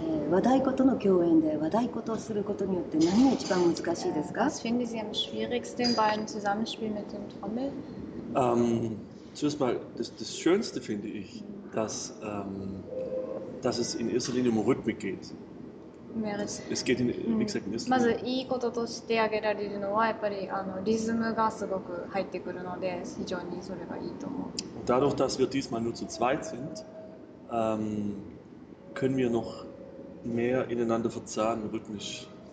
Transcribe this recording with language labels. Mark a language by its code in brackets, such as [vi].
[ja] 和太鼓との共演で和太鼓とすることによって何が一番難しいですか？ [de] Was finden Sie am schwierigsten beim Zusammenspiel mit dem Trommel? Zuerst mal, das Schönste finde ich, dass es in erster Linie um Rhythmik geht. Es geht in, wie gesagt, in erster [ja] まず [de] Linie. [ja] いいこととして挙げられるのは、やっぱりリズムがすごく入ってくるので、非常にそれがいいと思う。 [de] Dadurch, dass wir diesmal nur zu zweit sind, können wir noch mehr ineinander verzahnen, rhythmisch.